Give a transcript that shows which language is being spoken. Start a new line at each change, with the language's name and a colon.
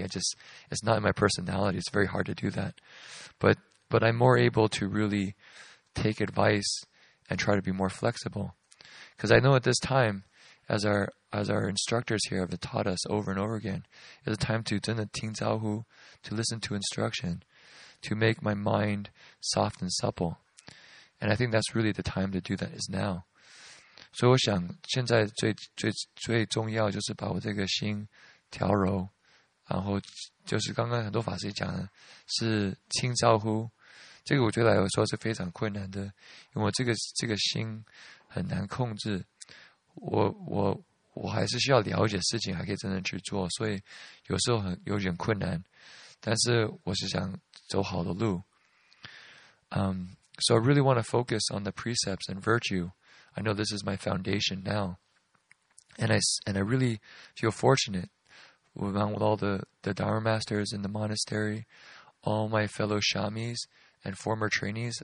English: It's not in my personality. It's very hard to do that. But I'm more able to really take advice and try to be more flexible. Because I know at this time, as our instructors here have taught us over and over again, it's a time to
Chinese: 真的听招呼,
English: to listen to instruction, to make my mind soft and supple. And I think that's really the time to do that is now.
Chinese: So 我想现在最重要就是把我这个心调柔, 然后就是刚刚很多法师讲的是听招呼, 这个我觉得来说是非常困难的, 因为我这个心很难控制, 我还是需要了解事情，还可以真正去做，所以有时候很有点困难。但是我是想走好的路。
English: So I really want to focus on the precepts and virtue. I know this is my foundation now, and I really feel fortunate with all the Dharma masters in the monastery, all my fellow shamis and former trainees.